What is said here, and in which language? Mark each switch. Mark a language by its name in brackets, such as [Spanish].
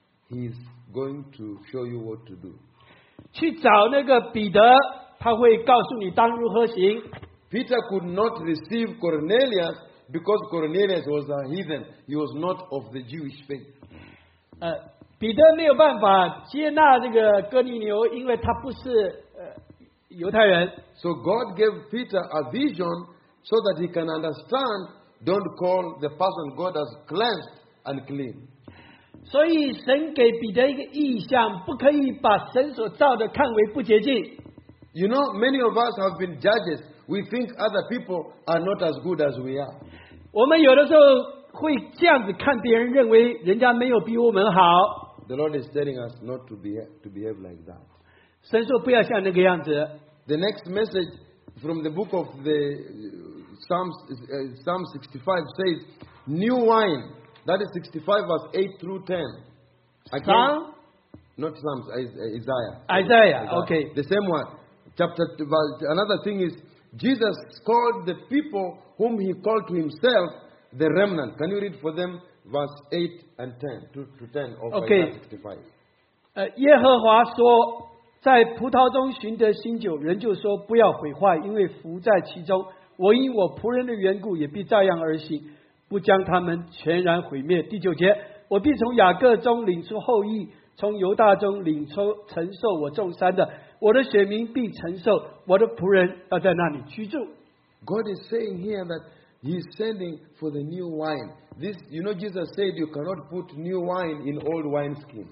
[English] He is going to show you what to do. [Chinese] 去找那个彼得，他会告诉你当如何行。Peter [English] could not receive Cornelius because Cornelius was a heathen. He was not of the Jewish faith. [Chinese] 彼得没有办法接纳这个哥尼流，因为他不是犹太人, [English] so God gave Peter a vision so that he can understand, don't call the person God has cleansed unclean. [Chinese] 所以神给彼得一个意象, 不可以把神所造的看为不洁净。 [English] You know, many of us have been judges. We think other people are not as good as we are. [Chinese] 我们有的时候会这样子看别人, 认为人家没有比我们好。 [English] The Lord is telling us not to behave like that. [Chinese] 神说不要像那个样子。 [English] The next message from the book of the Psalms 65 says, new wine, that is 65 verse 8 through 10. Again, not Psalms, Isaiah. Isaiah, okay. The same one. Chapter two, another thing is, Jesus called the people whom he called to himself the remnant. Can you read for them verse 8 and 10, 2 to 10 of okay. Isaiah 65? [Chinese] 耶和华说, 在葡萄中寻得新酒，人就说不要毁坏，因为福在其中。我因我仆人的缘故，也必照样而行，不将他们全然毁灭。第九节，我必从雅各中领出后裔，从犹大中领出承受我众山的。我的选民必承受，我的仆人要在那里居住。 [English] God is saying here that He's sending for the new wine. This, you know, Jesus said you cannot put new wine in old wineskins.